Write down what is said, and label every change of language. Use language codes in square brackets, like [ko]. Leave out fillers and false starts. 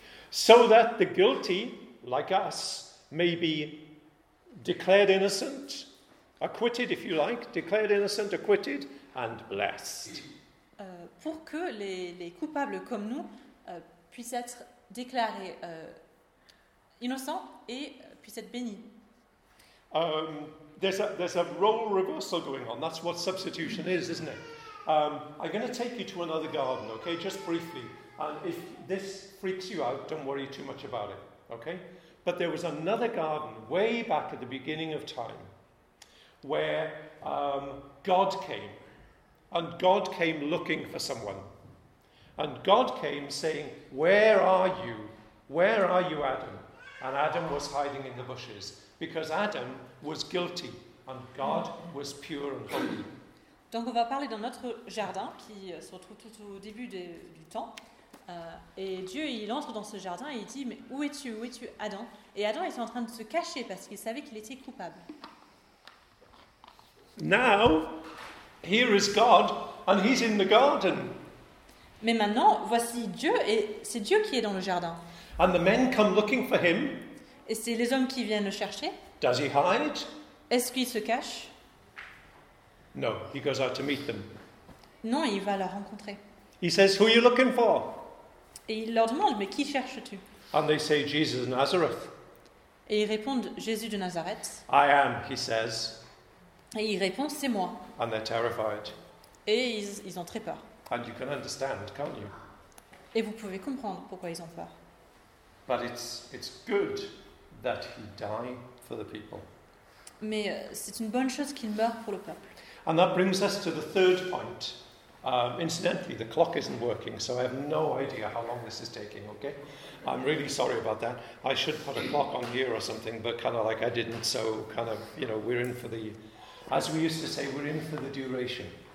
[en] So that the guilty, like us, may be declared innocent, acquitted if you like, declared innocent, acquitted, and blessed. [fr] Pour que les coupables comme nous puissent être déclarés innocents et puissent être bénis. [en] There's a role reversal going on. That's what substitution is, isn't it? I'm going to take you to another garden, okay? Just briefly. And if this freaks you out, don't worry too much about it, okay? But there was another garden way back at the beginning of time where God came. And God came looking for someone. And God came saying, "Where are you? Where are you, Adam?" And Adam was hiding in the bushes because Adam was guilty and God was pure and holy. [fr] Donc on va parler d'un autre jardin qui se retrouve tout au début du temps. Et Dieu, il entre dans ce jardin et il dit, mais où es-tu? Où es-tu, Adam? Et Adam était en train de se cacher parce qu'il savait qu'il était coupable. [en] Now, here is God and he's in the garden. [fr] Mais maintenant, voici Dieu et c'est Dieu qui est dans le jardin. [en] And the men come looking for him. [fr] Et c'est les hommes qui viennent le chercher. [en] Does he hide? [fr] Est-ce qu'il se cache? [en] No, he goes out to meet them. [fr] Non, il va la rencontrer. [en] He says, "Who are you looking for?" [fr] Et il leur demande, mais qui cherches-tu? [en] And they say, "Jesus of Nazareth." [fr] Et ils répondent, Jésus de Nazareth. [en] I am, he says. [fr] Et ils répondent, c'est moi. [en] And they're terrified. [fr] Et ils ont très peur. [en] And you can understand, can't you? [fr] Et vous pouvez comprendre pourquoi ils ont peur. [en] But it's good that he died for the people. [fr] Mais c'est une bonne chose qu'il meure pour le peuple. [en] And that brings us to the third point. Incidentally, the clock isn't working, so I have no idea how long this is taking, okay? I'm really sorry about that. I should put a clock on here or something, but kind of like I didn't, so kind of, you know, we're in for the, as we used to say, we're in for the duration.